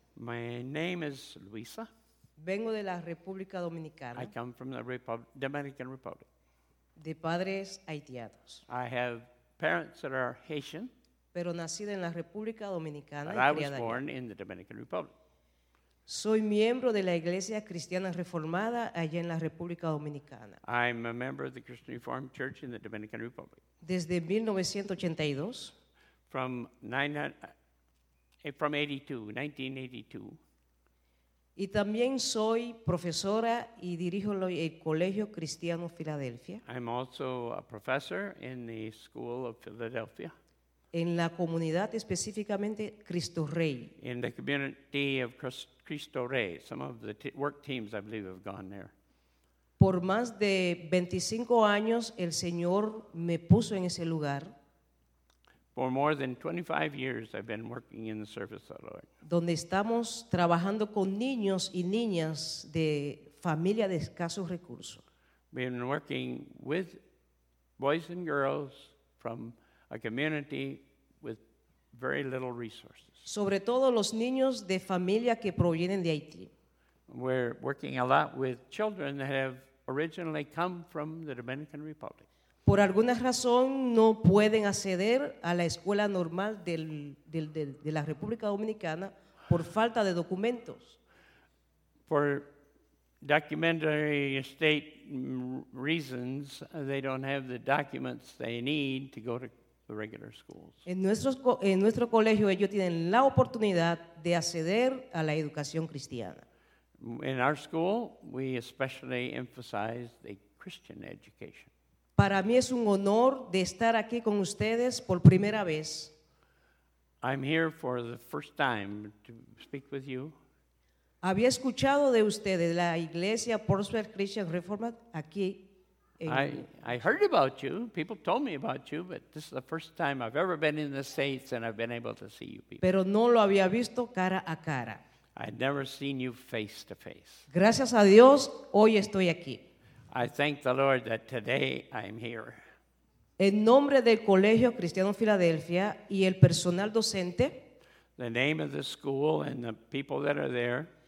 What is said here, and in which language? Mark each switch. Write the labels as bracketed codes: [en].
[en] My name is Luisa. [es] Vengo de la República Dominicana. [en] I come from the Dominican Republic. [es] De padres haitianos. [en] I have parents that are Haitian. [es] Pero nacida en la República Dominicana. [en] But I was born in the Dominican Republic. [es] Soy miembro de la Iglesia Cristiana Reformada allá en la República Dominicana. [en] I'm a member of the Christian Reformed Church in the Dominican Republic. [es] Desde 1982. [en] From 1982. [es] Y también soy profesora y dirijo el Colegio Cristiano Filadelfia. [en] I'm also a professor in the School of Philadelphia. [es] En la comunidad específicamente Cristo Rey. [en] In the community of Cristo Rey, some of the work teams, I believe, have gone there. [es] Por más de 25 años, el Señor me puso en ese lugar. [en] For more than 25 years, I've been working in the service of the Lord. [es] Donde estamos trabajando con niños y niñas de familia de escasos recursos. [en] We've been working with boys and girls from a community with very little resources. [es] Sobre todo los niños de familia que provienen de Haití. [en] We're working a lot with children that have originally come from the Dominican Republic. [es] Por alguna razón no pueden acceder a la escuela normal de la República Dominicana por falta de documentos. [en] For documentary state reasons, they don't have the documents they need to go to the regular schools. [es] En nuestro colegio ellos tienen la oportunidad de acceder a la educación cristiana. [en] In our school, we especially emphasize the Christian education. [es] Para mí es un honor de estar aquí con ustedes por primera vez. [en] I'm here for the first time to speak with you. [es] Había escuchado de ustedes la iglesia Prosper Christian Reformed aquí. [en] I heard about you. People told me about you, but this is the first time I've ever been in the States and I've been able to see you people. [es] Pero no lo había visto cara a cara. [en] I'd never seen you face to face. [es] Gracias a Dios, hoy estoy aquí. [en] I thank the Lord that today I'm here. [es] En nombre del Colegio Cristiano Filadelfia y el personal docente, [en] the name of the school and the people that are there,